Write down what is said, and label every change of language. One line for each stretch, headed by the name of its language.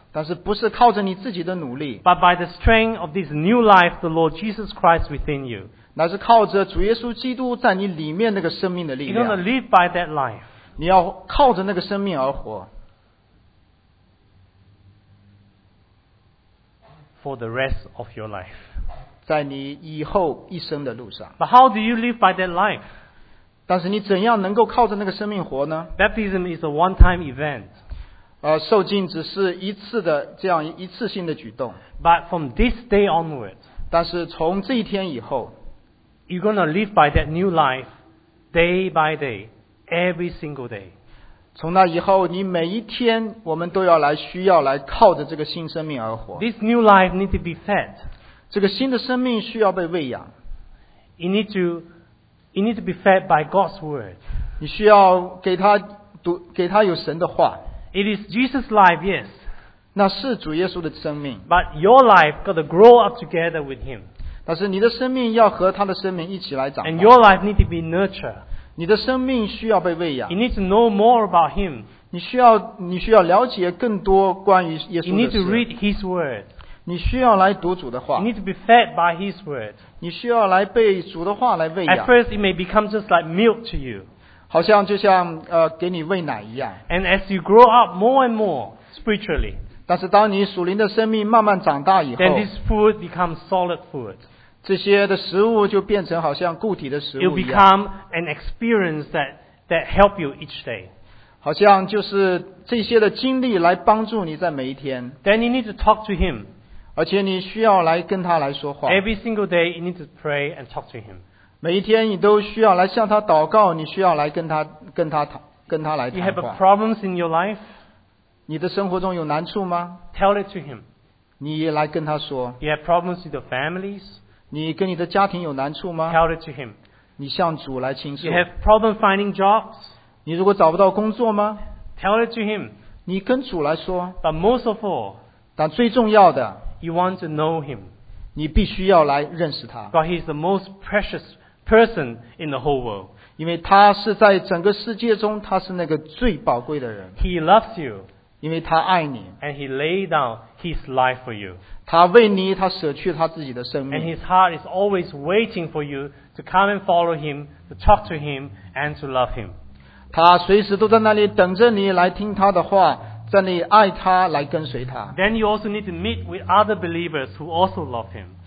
Chinese: 但是不是靠着你自己的努力
English: ，but by the strength of this new life, the Lord Jesus Christ within you。
Chinese: 那是靠着主耶稣基督在你里面那个生命的力量。
English: You're going to live by that life。
Chinese: 你要靠着那个生命而活。
English: For the rest of your life。
Chinese: 在你以后一生的路上。
English: But how do you live by that life？
Chinese: 但是你怎样能够靠着那个生命活呢
English: ？Baptism is a one-time event。
Chinese: 受浸只是一次的这样一次性的举动。
English: But from this day onwards，
Chinese: 但是从这一天以后
English: ，you're gonna live by that new life day by day， every single day。
Chinese: 从那以后，你每一天我们都要来需要来靠着这个新生命而活。
English: This new life needs to be fed。
Chinese: 这个新的生命需要被喂养。
English: You need to be fed by God's word。
Chinese: 你需要给他读，给他有神的话。
English: It is Jesus' life, yes。
Chinese: 那是主耶稣的生命。
English: But your life got to grow up together with Him。
Chinese: 但是你的生命要和他的生命一起来长大。
English: And your life needs to be nurtured。
Chinese: 你的生命需要被喂养。
English: You need to know more about Him。
Chinese: 你需要了解更多关于耶稣的事。
English: You need to read His word。
Chinese: 你需要来读主的话。
English: You need to be fed by His word。
Chinese: 你需要来被主的话来喂养。
English: At first, it may become just like milk to you。
Chinese: 好像就像给你喂奶一样。
English: And as you grow up more and more spiritually，
Chinese: 但是当你属灵的生命慢慢长大以后
English: ，then this food becomes solid food。
Chinese: 这些的食物就变成好像固体的食物一样。
English: It become an experience that help you each day。
Chinese: 好像就是这些的经历来帮助你在每一天。
English: Then you need to talk to him。
Chinese: 而且你需要来跟他来说话。
English: Every single day you need to pray and talk to him。
Chinese: 每一天你都需要来向他祷告，你需要来跟他来谈话。
English: You have problems in your life？
Chinese: 你的生活中有难处吗
English: ？Tell it to him。
Chinese: 你也来跟他说。
English: You have problems with your families？
Chinese: 你跟你的家庭有难处吗
English: ？Tell it to him。
Chinese: 你向主来倾诉。
English: You have problems finding jobs？
Chinese: 你如果找不到工作吗
English: ？Tell it to him。
Chinese: 你跟主来说。
English: But most of all，
Chinese: 但最重要的
English: ，You want to know him。
Chinese: 你必须要来认识他。
English: But he is the most precious。 Person in the whole world，
Chinese: 因为他是在整个世界中，他是那个最宝贵的人。
English: He loves you，
Chinese: 因为他爱你。
English: And he laid down his life for you，
Chinese: 他为你，他舍去他自己的生命。
English: And his heart is always waiting for you to come and follow him， to talk to him and to love him。
Chinese: 他随时都在那里等着你来听他的话，在那里爱他，来跟随他。
English: Then you also need to meet with other believers who also love him。